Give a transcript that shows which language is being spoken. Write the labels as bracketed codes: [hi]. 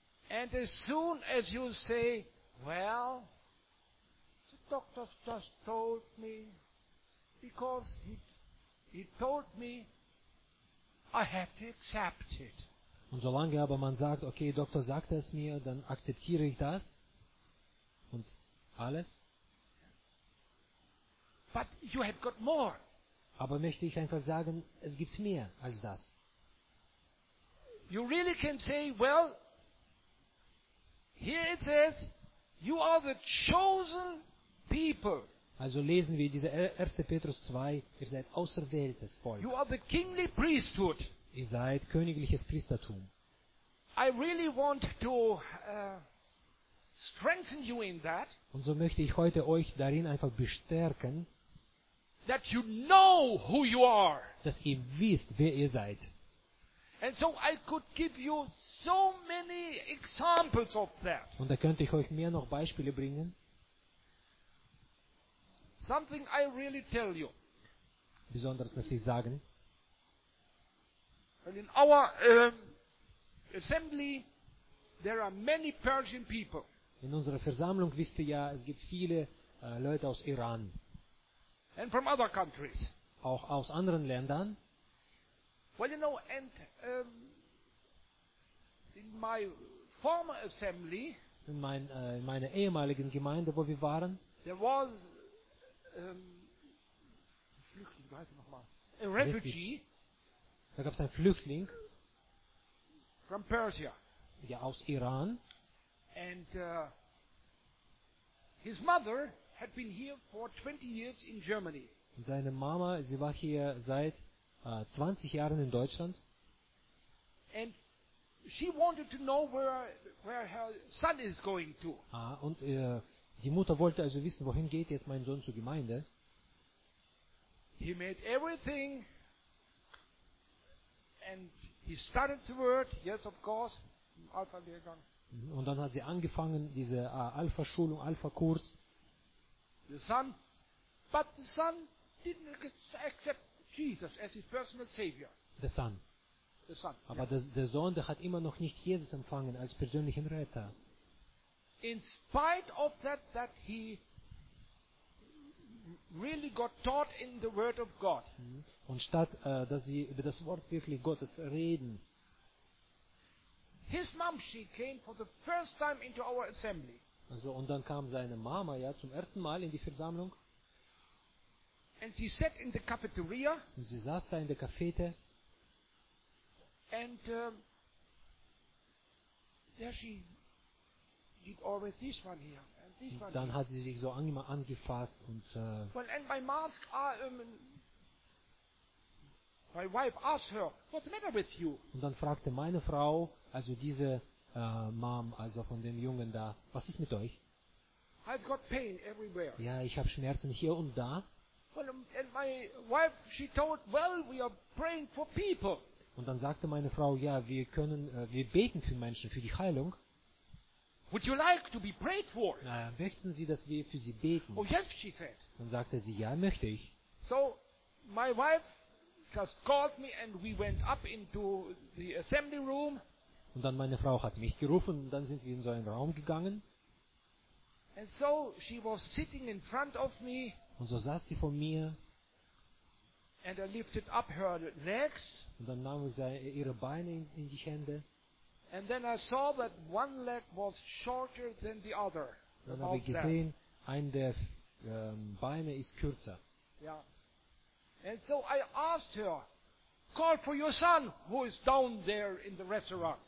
[en] And as soon as you say, well, the doctor just told me, because he told me, I have to accept it. [de] Und solange aber man sagt, okay, Doktor sagt es mir, dann akzeptiere ich das und alles. [en] But you have got more. [de] Aber möchte ich einfach sagen, es gibt mehr als das. [en] You really can say, well, here it says, you are the chosen people. [de] Also lesen wir diese 1. Petrus 2, ihr seid auserwähltes Volk. [en] You are the kingly priesthood. [de] Ihr seid königliches Priestertum. [en] I really want to strengthen you in that. [de] Und so möchte ich heute euch darin einfach bestärken, [en] that you know who you are. [de] Dass ihr wisst, wer ihr seid. [en] And so I could give you so many examples of that. [de] Und da könnte ich euch mehr noch Beispiele bringen. [en] Something I really tell you. [de] Besonders möchte ich sagen. [en] In our assembly there are many Persian people. [de] In unserer Versammlung wisst ihr ja, es gibt viele Leute aus Iran. [en] And from other countries. [de] Auch aus anderen Ländern. [en] Well, you know, and in my former assembly, [de] in meiner ehemaligen Gemeinde, wo wir waren, [en] there was [de] Flüchtling, wie heißt er nochmal? [en] A refugee. [de] Da gab es einen Flüchtling. [en] From Persia. [de] Ja, aus Iran. [en] And his mother had been here for 20 years in Germany. [de] Und seine Mama, sie war hier seit 20 Jahren in Deutschland. [en] And she wanted to know where her son is going to. [de] Ah, und die Mutter wollte also wissen, wohin geht jetzt mein Sohn zur Gemeinde. [en] He made everything and he started the word, yes of course, Alpha-Lehrgang. [de] Und dann hat sie angefangen, diese Alpha-Schulung, Alpha-Kurs. [en] The son, but the son didn't accept Jesus as his personal savior. The son. The son. [de] Aber [en] yes. [de] Der Sohn, der hat immer noch nicht Jesus empfangen als persönlichen Retter. [en] In spite of that he really got taught in the Word of God. [de] Und statt dass sie über das Wort wirklich Gottes reden. [en] His mom, she came for the first time into our assembly. [de] Also, und dann kam seine Mama ja zum ersten Mal in die Versammlung. [en] And she sat in the cafeteria. [de] Und sie saß da in der Cafete. [en] And there she did always this one here. [de] Und dann hat sie sich so angefasst und [en] well, and my mask, my wife asked her, what's the matter with you? [de] Und dann fragte meine Frau, also diese Mom, also von dem Jungen da, was ist mit euch? [en] I've got pain everywhere. [de] Ja, ich habe Schmerzen hier und da. [en] Well, and my wife, she told, well, we are praying for people. [de] Und dann sagte meine Frau, ja, wir beten für Menschen, für die Heilung. [en] Would you like to be prayed for? [de] Na, möchten Sie, dass wir für Sie beten? [en] Oh yes, she said. [de] Dann sagte sie, ja, möchte ich. [en] So, my wife just called me and we went up into the assembly room. [de] Und dann meine Frau hat mich gerufen und dann sind wir in so einen Raum gegangen. [en] And so she was sitting in front of me. [de] Und so saß sie vor mir. [en] And I lifted up her legs. [de] Und dann nahm sie ihre Beine in die Hände. [en] And then I saw that one leg was shorter than the other. [de] Dann habe ich gesehen, ein der Beine ist kürzer. [en] Yeah. And so I asked her, call for your son who is down there in the restaurant.